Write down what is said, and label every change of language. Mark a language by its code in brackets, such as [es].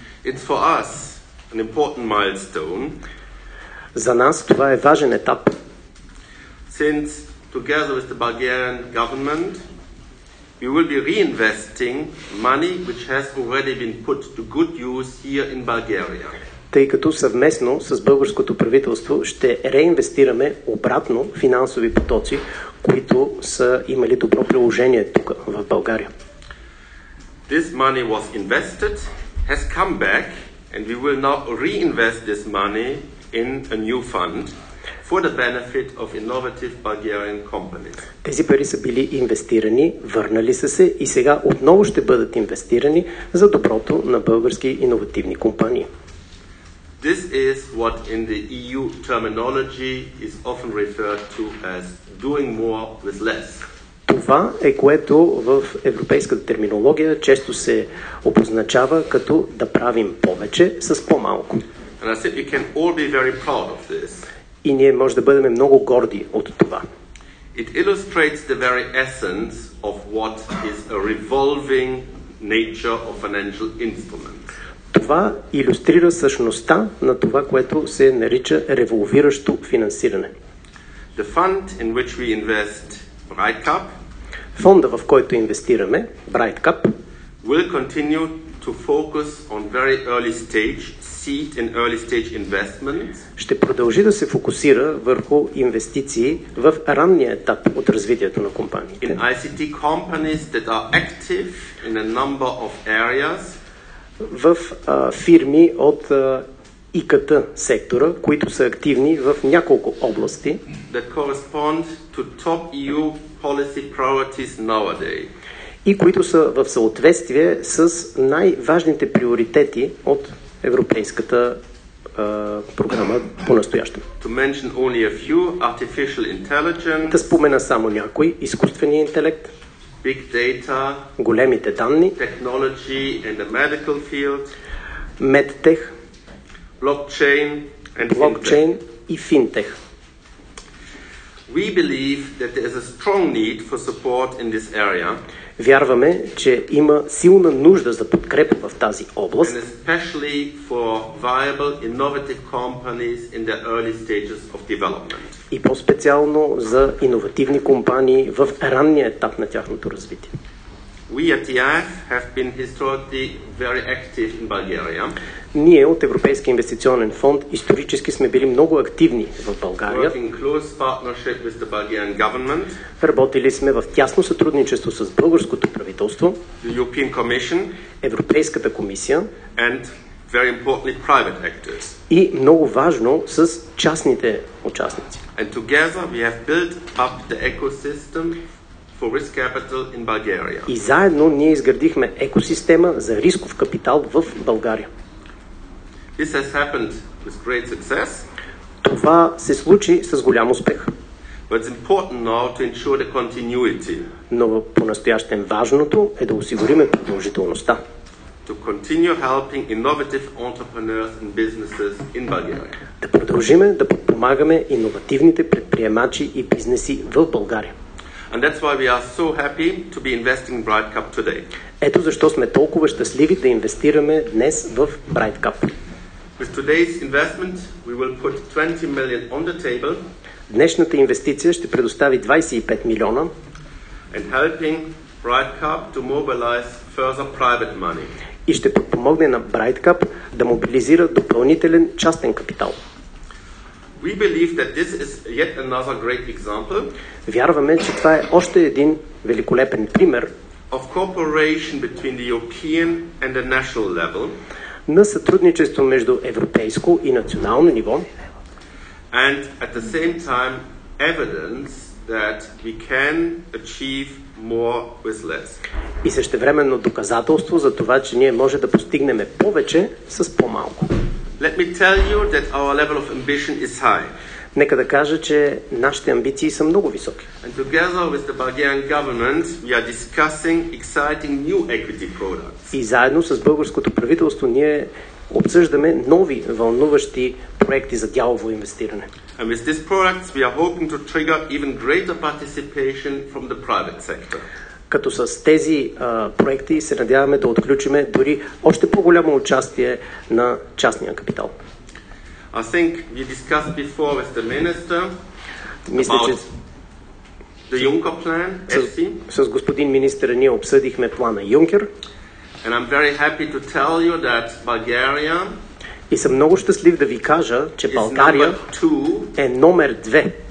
[en] It's for us an important milestone. [bg] За нас това е важен етап. [en] Since together with the Bulgarian government, we will be reinvesting money which has already been put to good use here in Bulgaria. [bg] Тъй като съвместно с българското правителство ще реинвестираме обратно финансови потоци, които са имали добро приложение тук в България. [en] This money was invested, has come back, and we will now reinvest this money in a new fund for the benefit of innovative Bulgarian companies. [bg] Тези пари са били инвестирани, върнали са се и сега отново ще бъдат инвестирани за доброто на български иновативни компании. [en] This is what in the EU terminology is often referred to as doing more with less. [bg] Това е което в европейската терминология често се обозначава като да правим повече с по-малко. [en] And I said we can all be very proud of this. [bg] И ние може да бъдем много горди от това. [en] It illustrates the very essence of what is a revolving nature of financial instruments. [bg] Това илюстрира същността на това, което се нарича револвиращо финансиране. [en] The fund in which we invest, Brightcap, [bg] фонда, в който инвестираме, Brightcap, [en] will continue to focus on very early stage seed and early stage investments. [bg] Ще продължи да се фокусира върху инвестиции в ранния етап от развитието на компаниите. [en] In ICT companies that are active in a number of areas. [bg] В фирми от ИКТ сектора, които са активни в няколко области. [en] That correspond to top EU policy priorities nowadays. [bg] И които са в съответствие с най-важните приоритети от европейската програма по-настоящем. [en] To mention only a few, artificial intelligence. [bg] Да спомена само някой, изкуственият интелект. [en] Big data, [bg] големите данни, [en] technology and the medical field, medtech, blockchain and blockchain fintech. И fintech. We believe that there is a strong need for support in this area. [bg] Вярваме, че има силна нужда за подкрепа в тази област. [en] And especially for viable innovative companies in the early stages of development. [bg] И по-специално за иновативни компании в ранния етап на тяхното развитие. [en] We at EIF have been historically very active in Bulgaria. [bg] Ние от Европейски инвестиционен фонд исторически сме били много активни в България. [en] Working in close partnership with the Bulgarian government. [bg] Работили сме в тясно сътрудничество с българското правителство, [en] the European Commission, [bg] Европейската комисия [en] and very importantly private actors. [bg] И много важно с частните участници. [en] And together we have built up the ecosystem for risk capital in Bulgaria. [bg] И заедно ние изградихме екосистема за рисков капитал в България. [en] This has happened with great success. [bg] Това се случи с голям успех. [en] But it's important now to ensure the continuity. [bg] Но по-настоящем важното е да осигуриме продължителността. [en] To continue helping innovative entrepreneurs and businesses in Bulgaria. [bg] Да продължиме да подпомагаме иновативните предприемачи и бизнеси в България. [en] And that's why we are so happy to be investing in Brightcap today. [bg] Ето защо сме толкова щастливи да инвестираме днес в Brightcap. [en] With today's investment, we will put 20 million on the table. [bg] Днешната инвестиция ще предостави 25 милиона. [en] And helping Brightcap to mobilize further private money. [bg] И ще подпомогне на Brightcap да мобилизира допълнителен частен капитал. [en] We believe that this is yet another great example. [bg] Вярваме, че това е още един великолепен пример [en] of cooperation between the European and the national level. [bg] На сътрудничество между европейско и национално ниво. [en] And at the same time evidence that we can achieve more with less. [bg] И същевременно доказателство за това, че ние може да постигнем повече с по-малко. [en] Let me tell you that our level of ambition is high. [bg] Нека да кажа, че нашите амбиции са много високи. [en] And together with the Bulgarian government, we are discussing exciting new equity products. [bg] И заедно с българското правителство ние обсъждаме нови вълнуващи проекти за дялово инвестиране. [en] And with these products, we are hoping to trigger even greater participation from the private sector. [bg] Като с тези проекти се надяваме да отключим дори още по-голямо участие на частния капитал. [en] I think we discussed before with the minister the Juncker plan, ESI. [bg] С господин министъра ние обсъдихме плана Юнкер. [en] And I'm very happy to tell you that Bulgaria. [bg] И съм много щастлив да ви кажа, че България е номер 2